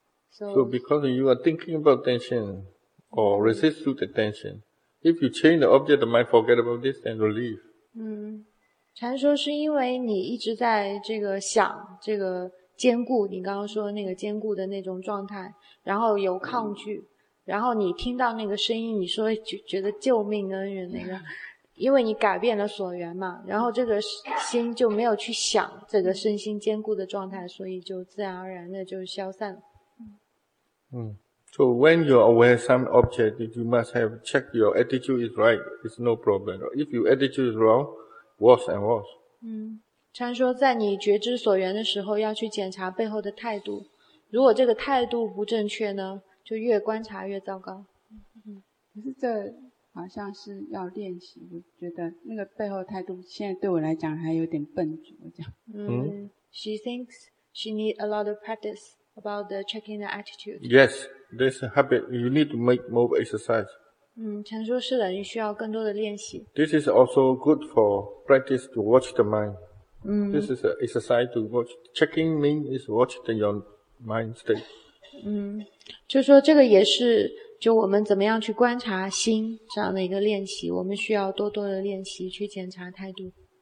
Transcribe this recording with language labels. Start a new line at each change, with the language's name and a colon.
English: So because you are thinking about tension, or resist to the tension, if you change the object, the mind forget about this and relief.
Chinese: 禅说是因为你一直在这个想这个坚固，你刚刚说的那个坚固的那种状态，然后有抗拒，然后你听到那个声音，你说觉得救命恩人那个，因为你改变了所缘嘛，然后这个心就没有去想这个身心坚固的状态，所以就自然而然的就消散了。
English: So when you're aware of some object, you must have check your attitude is right, it's no problem. If your attitude is wrong,Worse and worse.
Chinese: 禅说在你觉知所缘的时候要去检查背后的态度，如果这个态度不正确呢，就越观察越糟糕。可是这好像是要练习，我觉得那个背后态度现在对我来讲还有点笨拙这样。
English: She thinks she needs a lot of practice about the checking the attitude. Yes, there's a habit. You need to make more exercise.
Chinese: 禅说是的，你需要更多的练习。
English: This is also good for practice to watch the mind. This is an exercise to watch. Checking means is watch the your mind state.
Chinese: 就说这个也是，就我们怎么样去观察心这样的一个练习，我们需要多多的练习去检查态度。